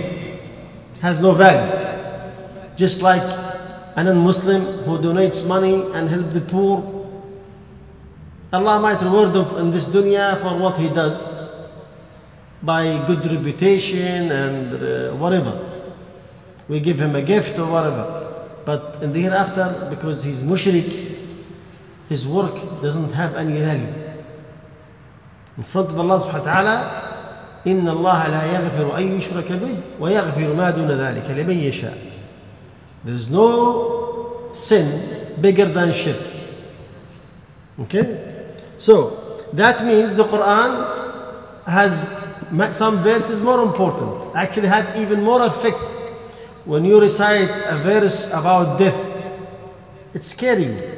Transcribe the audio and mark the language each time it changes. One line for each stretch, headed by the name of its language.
English: It has no value. Just like an un-Muslim who donates money and helps the poor, Allah might reward him in this dunya for what he does by good reputation and whatever. We give him a gift or whatever. But in the hereafter, because he's mushrik, his work doesn't have any value. In front of Allah subhanahu wa ta'ala,
Arabic: إِنَّ اللَّهَ لَا يَغْفِرُ أَيْ يُشْرَكَ بِهِ وَيَغْفِرُ مَا دُونَ ذَلِكَ لِمَنْ يَشَاءَ.
English: There's no sin bigger than shirk. Okay? So, that means the Quran has some verses more important. Actually had even more effect when you recite a verse about death. It's scary.